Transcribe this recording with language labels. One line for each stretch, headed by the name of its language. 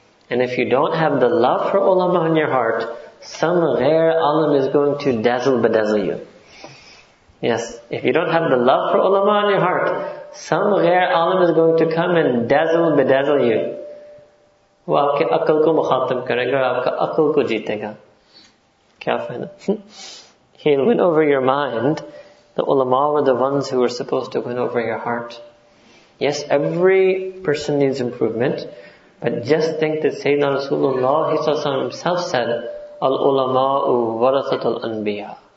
English: And if you don't have the love for ulama in your heart, some ghair alim is going to dazzle bedazzle you. Yes, if you don't have the love for ulama in your heart, some ghair alim is going to come and dazzle bedazzle you.
Urdu: وہ آپ کے عقل کو مخاطب کرے گا اور آپ کا عقل کو جیتے گا. کیا فائدہ؟
English: He'll win over your mind. The ulama were the ones who were supposed to win over your heart. Yes, every person needs improvement. But just think that Sayyidina Rasulullah himself said, Al-ulama'u warathatul anbiya.